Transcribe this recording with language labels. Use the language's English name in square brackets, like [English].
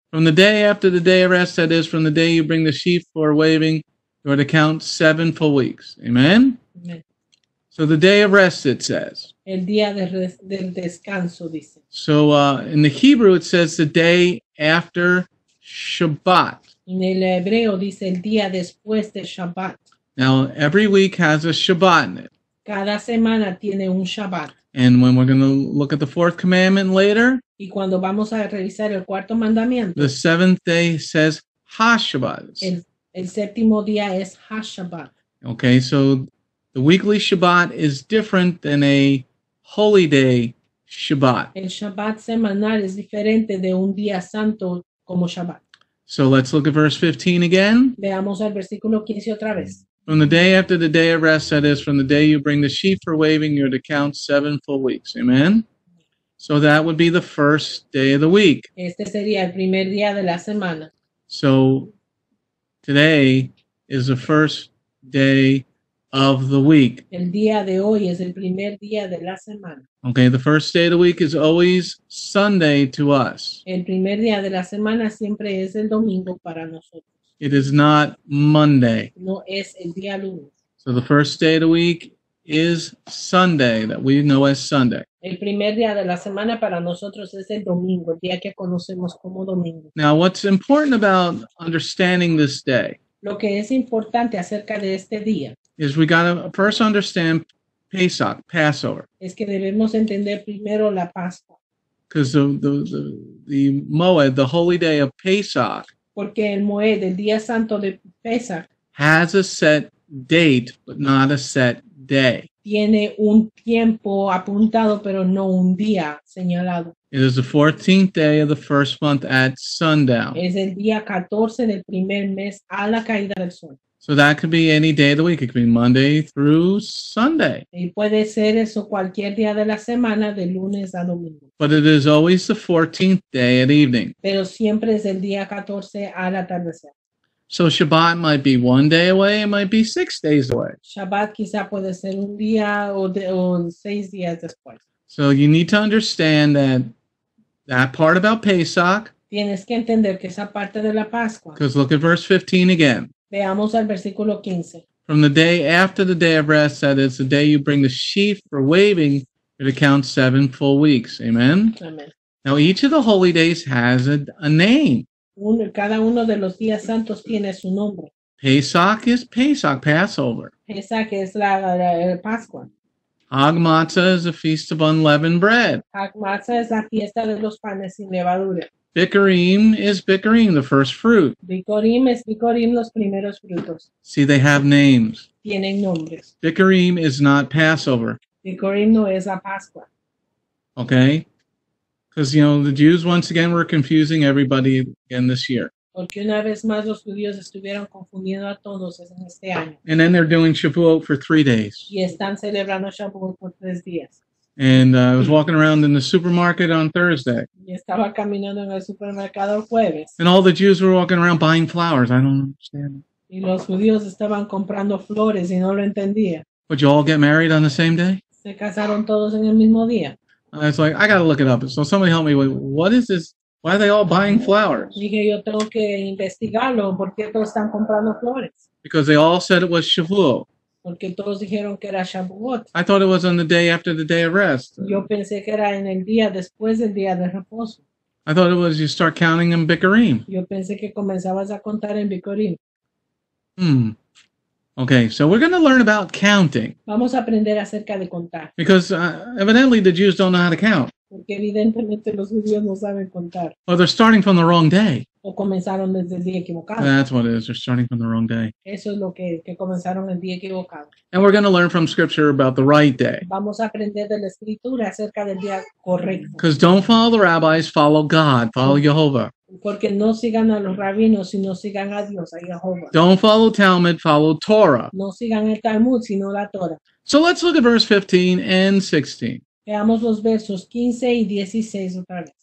[English] From the day after the day of rest, that is, from the day you bring the sheaf for waving, you are to count 7 full weeks. Amen? Amen. So the day of rest, it says. [Spanish] El día del descanso, dice. [English] So in the Hebrew, it says the day after Shabbat. [Spanish] En el hebreo, dice el día después de Shabbat. [English] Now, every week has a Shabbat in it. [Spanish] Cada semana tiene un Shabbat. [English] And when we're going to look at the fourth commandment later, [Spanish] y cuando vamos a revisar el cuarto mandamiento, [English] the seventh day says HaShabbat. [Spanish] El séptimo día es HaShabbat. [English] Okay, so the weekly Shabbat is different than a holy day Shabbat. [Spanish] El Shabbat semanal es diferente de un día santo como Shabbat. [English] So let's look at verse 15 again. [Spanish] Veamos el versículo 15 otra vez. [English] From the day after the day of rest, that is, from the day you bring the sheaf for waving, you're to count 7 full weeks. Amen? So that would be the first day of the week. [Spanish] Este sería el primer día de la semana. [English] So today is the first day of the week. [Spanish] El día de hoy es el primer día de la semana. [English] Okay, the first day of the week is always Sunday to us. [Spanish] El primer día de la semana siempre es el domingo para nosotros. [English] It is not Monday. [Spanish] No es el día lunes. [English] So the first day of the week is Sunday, that we know as Sunday. [Spanish] El primer día de la semana para nosotros es el domingo, el día que conocemos como domingo. [English] Now, what's important about understanding this day? [Spanish] Lo que es importante acerca de este día [English] is we got to first understand Pesach, Passover. [Spanish] Es que debemos entender primero la Pascua. [English] Because the Moed, the holy day of Pesach, [Spanish] porque el Moed, el día santo de Pesach, [English] has a set date, but not a set day. [Spanish] Tiene un tiempo apuntado, pero no un día señalado. [English] It is the 14th day of the first month at sundown. [Spanish] Es el día 14 del primer mes a la caída del sol. [English] So that could be any day of the week. It could be Monday through Sunday. [Spanish] Y puede ser eso cualquier día de la semana, de lunes a domingo. [English] But it is always the 14th day at evening. [Spanish] Pero siempre es el día 14 al atardecer. [English] So Shabbat might be one day away, it might be 6 days away. [Spanish] Shabbat quizá puede ser un día o 6 días después. [English] So you need to understand that part about Pesach. [Spanish] Tienes que entender que esa parte de la Pascua. [English] Because look at verse 15 again. [Spanish] Veamos al versículo 15. [English] From the day after the day of rest, that is the day you bring the sheaf for waving, it counts 7 full weeks. Amen? Amen. Now each of the holy days has a name. [Spanish] Cada uno de los días santos tiene su nombre. [English] Pesach is Pesach, Passover. [Spanish] Pesach es la Pascua. [English] Hag Matzah is a feast of unleavened bread. [Spanish] Hag Matzah es la fiesta de los panes sin levadura. [English] Bikurim is Bikurim, the first fruit. [Spanish] Bikurim es Bikurim, los primeros frutos. [English] See, they have names. [Spanish] Tienen nombres. [English] Bikurim is not Passover. [Spanish] Bikurim no es la Pascua. [English] Okay? Because, you know, the Jews, once again, were confusing everybody again this year. [Spanish] Porque una vez más los judíos estuvieron confundiendo a todos en este año. [English] And then they're doing Shavuot for 3 days. [Spanish] Y están celebrando Shavuot por 3 días. [English] And I was walking around in the supermarket on Thursday. [Spanish] Y estaba caminando en el supermercado jueves. [English] And all the Jews were walking around buying flowers. I don't understand. [Spanish] Y los judíos estaban comprando flores y no lo entendía. [English] Would you all get married on the same day? [Spanish] Se casaron todos en el mismo día. [English] I was like, I got to look it up. So somebody help me. What is this? Why are they all buying flowers? [Spanish] Dije, yo tengo que investigarlo. ¿Por qué todos están comprando flores? [English] Because they all said it was Shavuot. [Spanish] Porque todos dijeron que era Shavuot. [English] I thought it was on the day after the day of rest. [Spanish] Yo pensé que era en el día después del día de reposo. [English] I thought it was you start counting in Bikurim. [Spanish] Yo pensé que comenzabas a contar en Bikurim. [English] Okay, so we're going to learn about counting. [Spanish] Vamos a aprender acerca de contar. [English] Because evidently the Jews don't know how to count. [Spanish] Porque evidentemente los judíos no saben contar. [English] Or they're starting from the wrong day. [Spanish] O comenzaron desde el día equivocado. [English] That's what it is, they're starting from the wrong day. [Spanish] Eso es lo que comenzaron el día equivocado. [English] And we're going to learn from Scripture about the right day. [Spanish] Vamos a aprender de la Escritura acerca del día correcto. [English] Because don't follow the rabbis, follow God, follow Yehovah. [Spanish] Porque no sigan a los rabinos, sino sigan a Dios, a Jehová. [English] Don't follow Talmud, follow Torah. [Spanish] No sigan el Talmud, sino la Torah. [English] So let's look at verse 15 and 16. [Spanish] Veamos los versos 15 y 16 otra vez.